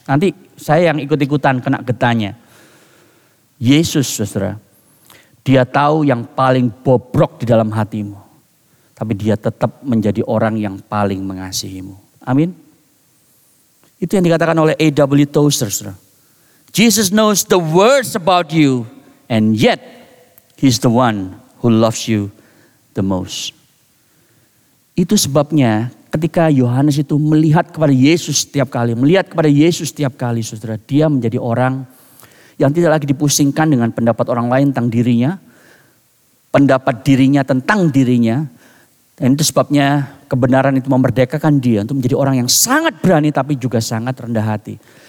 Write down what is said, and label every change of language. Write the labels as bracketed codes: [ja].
[id] Nanti saya yang ikut-ikutan kena getahnya. Yesus, saudara, dia tahu yang paling bobrok di dalam hatimu. Tapi dia tetap menjadi orang yang paling mengasihimu. Amin. Itu yang dikatakan oleh A.W. Tozer, saudara. [en] Jesus knows the worst about you, and yet he's the one who loves you the most. [id] Itu sebabnya ketika Yohanes itu melihat kepada Yesus setiap kali, saudara, dia menjadi orang yang tidak lagi dipusingkan dengan pendapat orang lain tentang dirinya, pendapat dirinya tentang dirinya. Dan itu sebabnya kebenaran itu memerdekakan dia untuk menjadi orang yang sangat berani tapi juga sangat rendah hati.